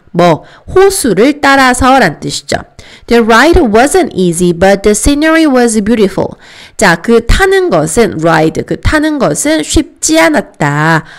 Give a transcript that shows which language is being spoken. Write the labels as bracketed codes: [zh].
[ko] 뭐 호수를 따라서 란 뜻이죠. [en] The ride wasn't easy, but the scenery was beautiful. [ko] 자, 그 타는 것은 ride, 그 타는 것은 쉽지 않았다.